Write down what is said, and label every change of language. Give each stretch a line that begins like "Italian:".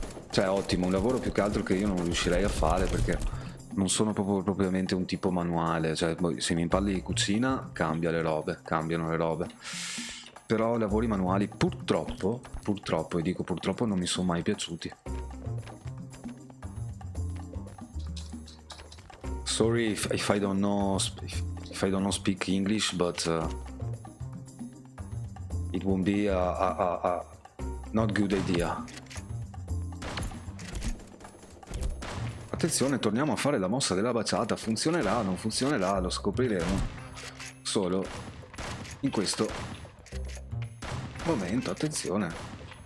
Italian: Cioè ottimo, un lavoro più che altro che io non riuscirei a fare perché non sono propriamente un tipo manuale. Cioè se mi parli di cucina cambiano le robe. Però lavori manuali purtroppo, e dico purtroppo, non mi sono mai piaciuti.
English: Sorry if I don't know speak English, but it won't be a not good idea.
Italian: Attenzione, torniamo a fare la mossa della baciata. Funzionerà, non funzionerà, lo scopriremo solo in questo momento. Attenzione.